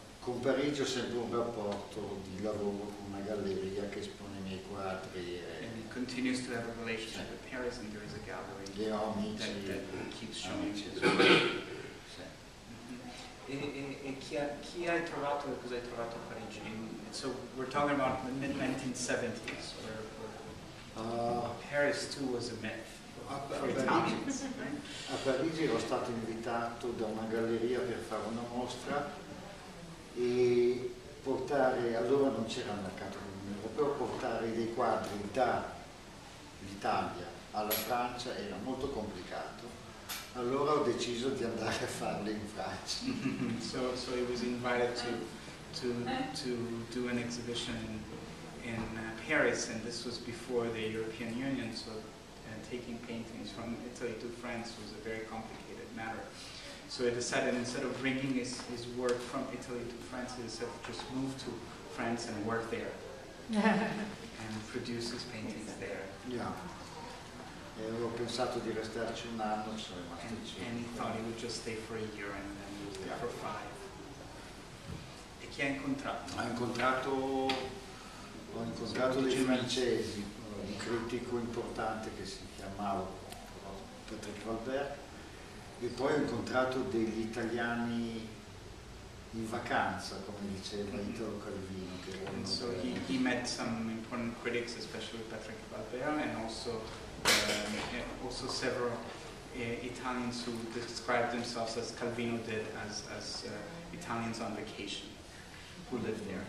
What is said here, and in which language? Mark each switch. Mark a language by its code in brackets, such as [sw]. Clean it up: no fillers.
[it] Con Parigi ho sempre un rapporto di lavoro con una galleria che espone i miei quadri. [en] And it continues to have a relationship with Paris, and there is a gallery that keeps showing [it] amici. [en] As well. [it] chi hai trovato, cosa hai trovato a Parigi? [en] So we're talking about the mid-1970s, where Paris too was a myth. [it] A Parigi ero stato invitato da una galleria per fare una mostra, e portare, allora non c'era il mercato comune europeo, portare dei quadri dall'Italia alla Francia era molto complicato, allora ho deciso di andare a farle in Francia. [en] So he was invited to do an exhibition in Paris, and this was before the European Union, so taking paintings from Italy to France was a very complicated matter. So he decided, instead of bringing his work from Italy to France, he decided to just move to France and work there and produce his paintings there. Yeah. [it] E avevo pensato di restarci un anno, sono rimasto cinque. [en] And he thought he would just stay for a year and then he was there for 5. [it] E chi ha incontrato? Ho incontrato dei francesi, un critico importante che si chiamava Patrick Valbert. E poi ho incontrato degli italiani in vacanza, come diceva Italo Calvino. Che [en] and so he met some important critics, especially Patrick Valbert, and also also several Italians who described themselves, as Calvino did, as Italians on vacation, who lived there.